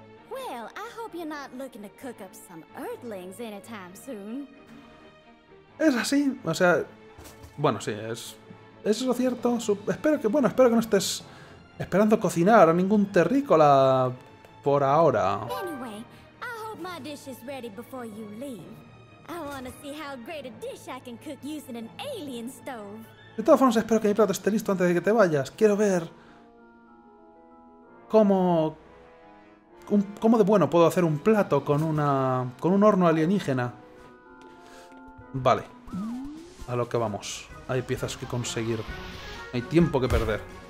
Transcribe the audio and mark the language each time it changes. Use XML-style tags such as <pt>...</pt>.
<en>Well, I hope you're not looking to cook up some earthlings anytime soon.</en> <es>Es así, o sea. Bueno, sí, es. ¿Es eso cierto? Espero que no estés esperando cocinar a ningún terrícola por ahora.</es> <en>Anyway, I hope my dish is ready before you leave. I want to see how great a dish I can cook using an alien stove.</en> <es>De todas formas, espero que mi plato esté listo antes de que te vayas. Quiero ver cómo de bueno puedo hacer un plato con un horno alienígena. Vale. A lo que vamos. Hay piezas que conseguir. Hay tiempo que perder.</es>